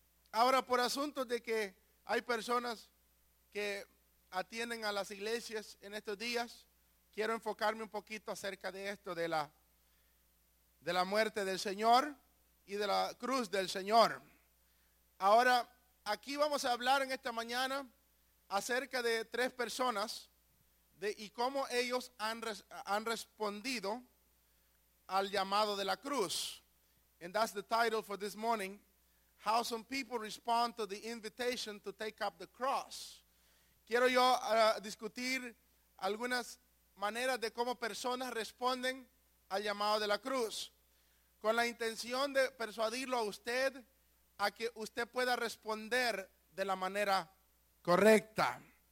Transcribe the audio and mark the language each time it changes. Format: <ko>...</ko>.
<es>Ahora, por asuntos de que hay personas que atienden a las iglesias en estos días, quiero enfocarme un poquito acerca de esto, de la muerte del Señor y de la cruz del Señor. Ahora, aquí vamos a hablar en esta mañana acerca de tres personas y cómo ellos han respondido al llamado de la cruz.</es> <en>And that's the title for this morning, how some people respond to the invitation to take up the cross.</en> <es>Quiero yo discutir algunas maneras de cómo personas responden al llamado de la cruz, con la intención de persuadirlo a usted a que usted pueda responder de la manera correcta.</es>